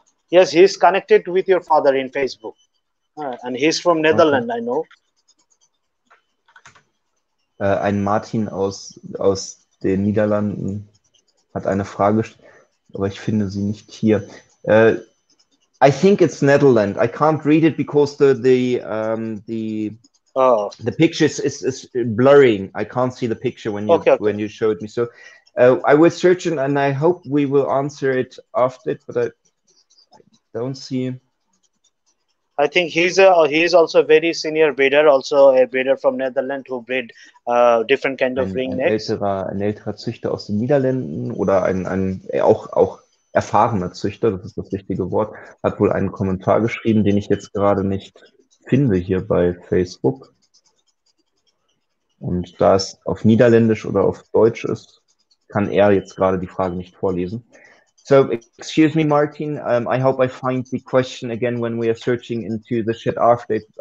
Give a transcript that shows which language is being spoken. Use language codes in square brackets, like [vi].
[en] Yes, he's connected with your father in Facebook. And he's from Netherlands, okay. I know. [de] Ein Martin aus den Niederlanden hat eine Frage, aber ich finde sie nicht hier. [en] I think it's Netherlands. I can't read it because the picture is blurring. I can't see the picture when you when you showed me. So I will search it, and I hope we will answer it after it, but I don't see him. I think he's also a very senior breeder, also a breeder from Netherlands who breed different kind of ringnecks. [de] Ein älterer Züchter aus den Niederlanden oder ein auch erfahrener Züchter, das ist das richtige Wort, hat wohl einen Kommentar geschrieben, den ich jetzt gerade nicht finde hier bei Facebook. Und da es auf Niederländisch oder auf Deutsch ist, kann jetzt gerade die Frage nicht vorlesen. [en] So, excuse me, Martin, I hope I find the question again when we are searching into the chat after.